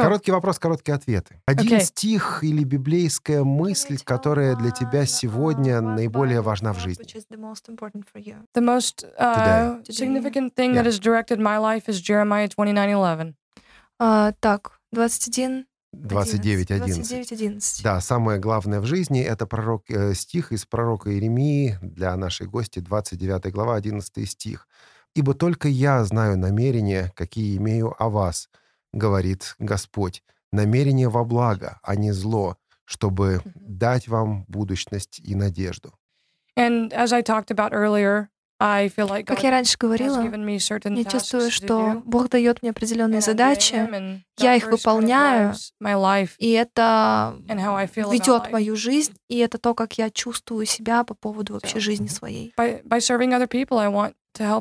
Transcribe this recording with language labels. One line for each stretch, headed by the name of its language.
Russian: Короткий вопрос, короткие ответы. Один okay. стих или библейская мысль, которая для тебя сегодня наиболее важна в жизни?
English: The most significant thing yeah. that has directed my life is Jeremiah 29:11.
Russian: Так, 29:11. Да, самое главное в жизни — это пророк, стих из пророка Иеремии для нашей гости, 29 глава, 11 стих. «Ибо только я знаю намерения, какие имею о вас, говорит Господь, намерения во благо, а не зло, чтобы дать вам будущность и надежду».
English: And as I talked about earlier, I feel like God
Russian: как я раньше говорила, я чувствую, что Бог дает мне определенные задачи, я их выполняю, и это ведет мою жизнь, и это то, как я чувствую себя по поводу вообще жизни своей.
English: By serving other people, I want to help